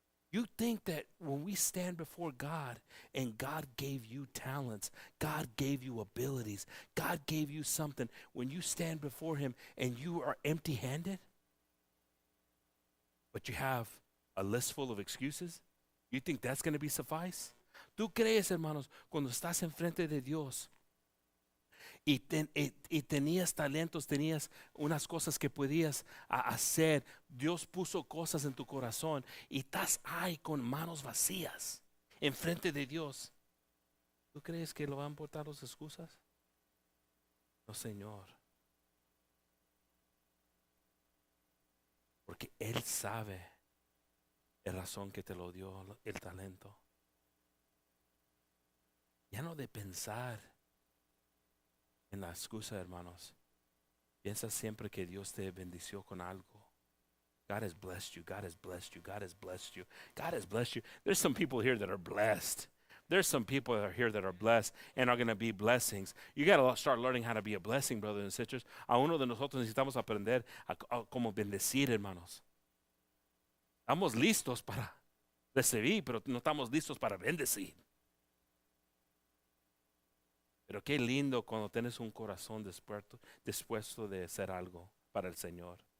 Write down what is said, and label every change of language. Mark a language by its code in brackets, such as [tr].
[en] You think that when we stand before God and God gave you talents, God gave you abilities, God gave you something, when you stand before Him and you are empty-handed, but you have a list full of excuses, you think that's going to be suffice? [es] ¿Tú crees, hermanos, cuando estás enfrente de Dios y tenías talentos, tenías unas cosas que podías hacer, Dios puso cosas en tu corazón y estás ahí con manos vacías enfrente de Dios, ¿tú crees que lo van a importar las excusas? No, Señor. Porque Él sabe la razón que te lo dio el talento. Ya no de pensar en la excusa, hermanos. Piensa siempre que Dios te bendició con algo. [en] God has blessed you. God has blessed you. God has blessed you. God has blessed you. There's some people here that are blessed. There's some people that are here that are blessed and are going to be blessings. You got to start learning how to be a blessing, brothers and sisters. [es] A uno de nosotros necesitamos aprender a cómo bendecir, hermanos. Estamos listos para recibir, pero no estamos listos para bendecir. Pero qué lindo cuando tienes un corazón dispuesto de hacer algo para el Señor.